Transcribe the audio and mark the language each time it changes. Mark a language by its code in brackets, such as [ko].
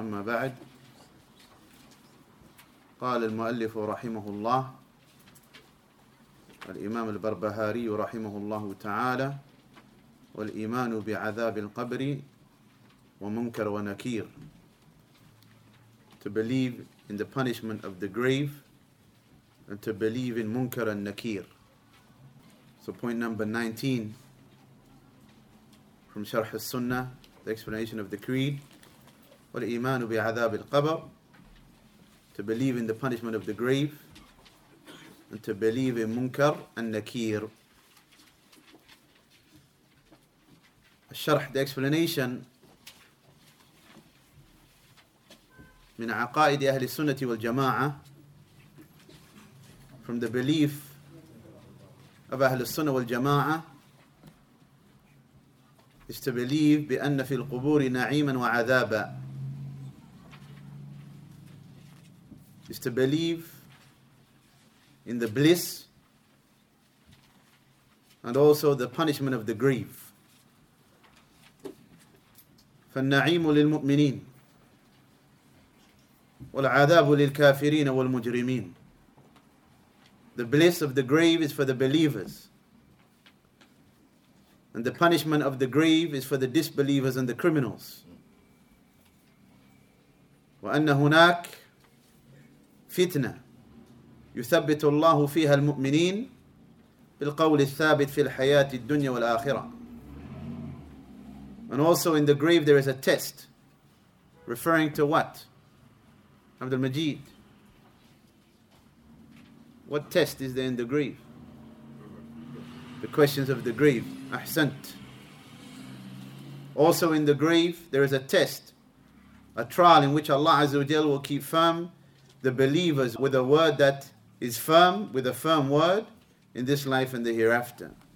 [ar] أما بعد، قال المؤلف رحمه الله الإمام البربهاري رحمه الله تعالى: والإيمان بعذاب القبر ومنكر ونكير. [en] To believe in the punishment of the grave and to believe in munkar and nakir. So point number 19 from Sharh al-Sunnah, the explanation of the creed. [ar] والإيمان بعذاب القبر, [en] to believe in the punishment of the grave, and to believe in munkar and nakir. [ar] الشرح, [en] the explanation, [ar] من عقائد أهل السنة والجماعة, [en] from the belief of [ar] أهل السنة والجماعة, [en] is to believe [ar] بأن في القبور نعيما وعذابا. [en] Is to believe in the bliss and also the punishment of the grief. [ar] فالنعيم للمؤمنين والعذاب للكافرين والمجرمين. [en] The bliss of the grave is for the believers, and the punishment of the grave is for the disbelievers and the criminals. [ar] وأن هناك فتنة يثبت الله فيها المؤمنين بالقول الثابت في الحياة الدنيا والآخرة. [en] And also in the grave there is a test, referring to what? Abd al-Majid, what test is there in the grave? The questions of the grave. Ahsant. Also in the grave there is a test, a trial in which Allah Azza wa Jalla will keep firm the believers with a word that is firm, with a firm word in this life and the hereafter.